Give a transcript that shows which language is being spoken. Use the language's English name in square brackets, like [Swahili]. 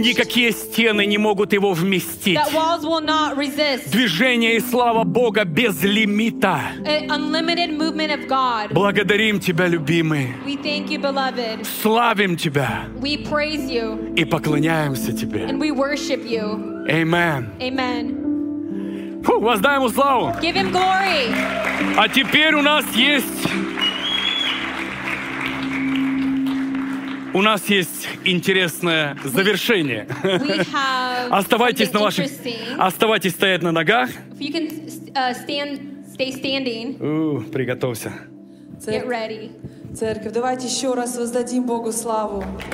[Russian] Никакие стены не могут его вместить. [English] That walls will not resist. [Russian] Движение и слава Бога без лимита. [English] An unlimited movement of God. [Russian] Благодарим Тебя, любимый. [English] We thank you, beloved. [Russian] Славим Тебя. [English] We praise you. [Russian] И поклоняемся Тебе. [English] And we worship you. Amen. Amen. [Russian] Воздай ему славу. [English] Give him glory. [Russian] А теперь у нас есть... У нас есть интересное завершение. Оставайтесь на ваших... Оставайтесь стоять на ногах. [English] If you can stand, stay standing. [Russian] Приготовься. [English] Get ready. [Russian] Церковь, давайте еще раз воздадим Богу славу.